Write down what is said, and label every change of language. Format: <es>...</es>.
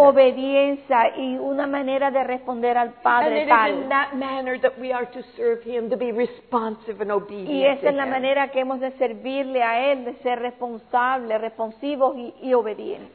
<es>Una obediencia y una manera de responder al Padre.</es> <en>And it</en> <es>tal.</es> <en>Is in that manner that we are to serve him, to be responsive and obedient.</en> <es>Y es en la manera que hemos de servirle a él, de ser responsable, responsivos y obedientes.</es>